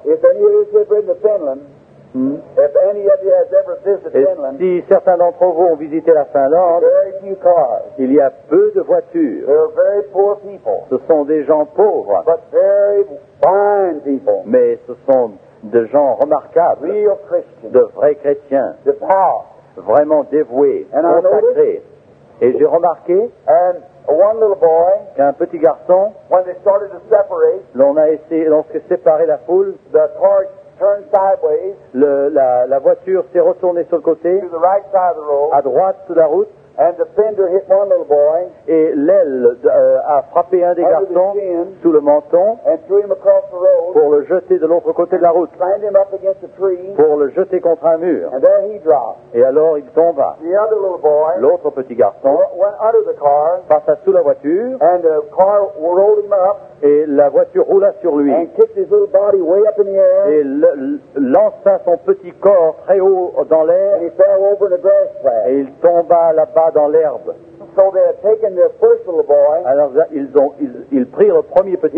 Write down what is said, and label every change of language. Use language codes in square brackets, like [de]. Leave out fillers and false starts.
[en] If any of you have ever been to Finland, if any of you has ever visited Finland, [fr] si certains d'entre vous ont visité la Finlande, [en] very few cars, [fr] il y a peu de voitures. [en] They're very poor people, [fr] ce sont des gens pauvres, [en] but very fine people, [fr] mais ce sont des gens remarquables, [en] real Christians, [fr] de vrais chrétiens, [en] the power, [fr] vraiment dévoués, [en] and [fr] consacrés. Et j'ai remarqué [en] one little boy, [fr] qu'un petit garçon, [en] when they started to separate, [fr] lorsque séparait la foule, [en] the car turned sideways, [fr] la voiture s'est retournée sur le côté, [en] to the right side of the road, [fr] à droite de la route, [en] and the fender hit one little boy, [fr] et l'aile a frappé un des garçons sous le menton, [en] and threw him across the road, [fr] pour le jeter de l'autre côté de la route, [en] slammed him up against a tree, [fr] pour le jeter contre un mur, [en] and there he dropped. [fr] Et alors il tomba. [en] The other little boy, [fr] l'autre petit garçon, [en] went under the car, [fr] passa sous la voiture, [en] and the car rolled him up, [fr] et la voiture roula sur lui, [en] and kicked his little body way up in the air, [fr] et lança son petit corps très haut dans l'air, [en] and he fell over the grass flat, [fr] et il tomba là-bas dans l'herbe. [en] So they had taken their first little boy. [fr] Alors ils prirent le premier petit